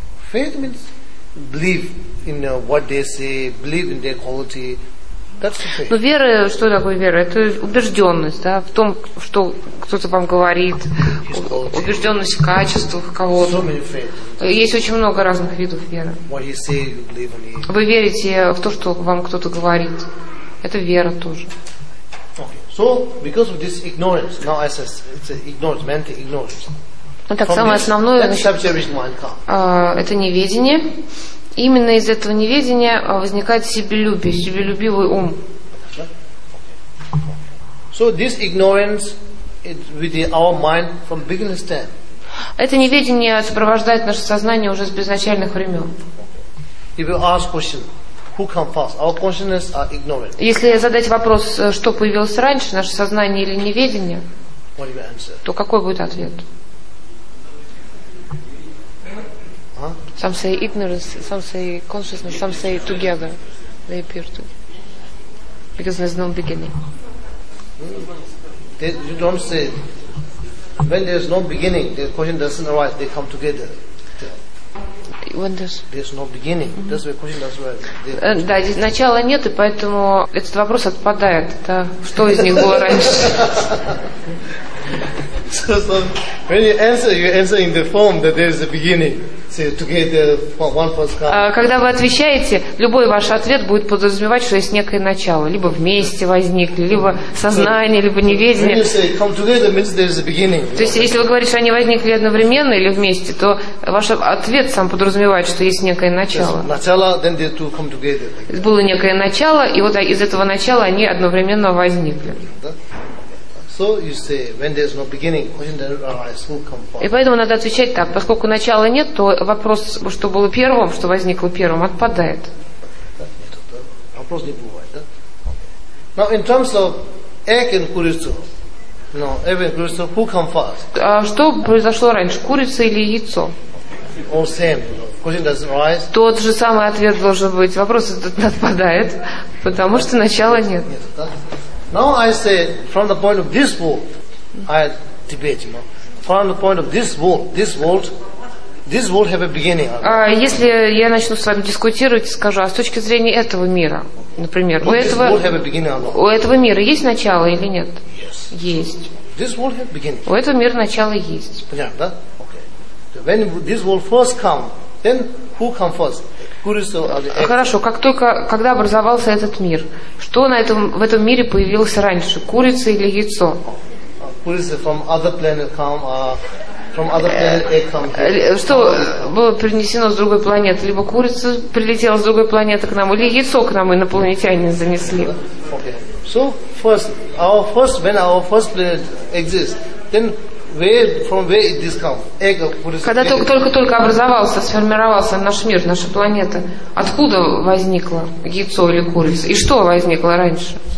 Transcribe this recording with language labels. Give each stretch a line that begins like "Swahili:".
English: Faith means believe in what they say, believe in their quality. That's the faith.
Russian: Но вера, что такое вера? Это убежденность, да, в том, что кто-то вам говорит, убежденность в качествах кого-то. Есть очень много разных видов веры.
English: What you say, you believe in it.
Russian: Вы верите в то, что вам кто-то говорит. Это вера тоже.
English: Okay. So, because of this ignorance, now I say it's ignorance, mental ignorance.
Russian: Ну так, самое основное, это неведение. Именно из этого неведения возникает себелюбие, себелюбивый ум.
English: So this ignorance with our mind from beginning time.
Russian: Это неведение сопровождает наше сознание уже с безначальных времен.
English: If you ask question, who come first? Our consciousness or ignorance?
Russian: Если задать вопрос, что появилось раньше, наше сознание или неведение, то какой будет ответ?
English: Some say ignorance, some say consciousness, some say together. They appear to. Because there's no beginning. You don't say when there's no beginning, the question doesn't arise, they come together. When there's no beginning, that's why question doesn't arise.
Russian: Да, начала нет, и поэтому этот вопрос отпадает. Это что из них было раньше?
English: So when you answer in the form that there is a beginning.
Russian: Когда вы отвечаете, любой ваш ответ будет подразумевать, что есть некое начало. Либо вместе возникли, либо сознание, либо неведение. То есть, если вы говорите, что они возникли одновременно или вместе, то ваш ответ сам подразумевает, что есть некое начало. Было некое начало, и вот из этого начала они одновременно возникли.
English: So you say when there's no beginning, question then arises who come first.
Russian: И поэтому надо отвечать так, поскольку начала нет, то вопрос, что было первым, что возникло первым, отпадает. Вопрос не бывает, да?
English: Now in terms of egg and курицу, no, egg and курицу, who come first?
Russian: Что произошло раньше, курица или яйцо?
English: All same, question doesn't arise.
Russian: Тот же самый ответ должен быть. Вопрос этот отпадает, потому что начала нет.
English: Now I say from the point of this world, I debate, you know. From the point of this world have a beginning.
Russian: Если я начну с вами дискутировать, скажу, а с точки зрения этого мира, например, у этого мира есть начало или нет?
English: Yes.
Russian: Есть.
English: This world have beginning.
Russian: У этого мира начало есть. Понятно, да?
English: Okay. So when this world first come, then who come first?
Russian: Хорошо, как только, когда образовался этот мир, что на этом, в этом мире появилось раньше, курица или яйцо?
English: Курица from other planet come, from other planet egg come.
Russian: Что было принесено с другой планеты? Либо курица прилетела с другой планеты к нам, или яйцо к нам инопланетяне занесли.
English: Okay. So first, when our first planet exists, then Where it is come? Egg, курица,
Russian: когда только образовался, сформировался наш мир, наша планета, откуда возникло яйцо или курица? И что возникло раньше?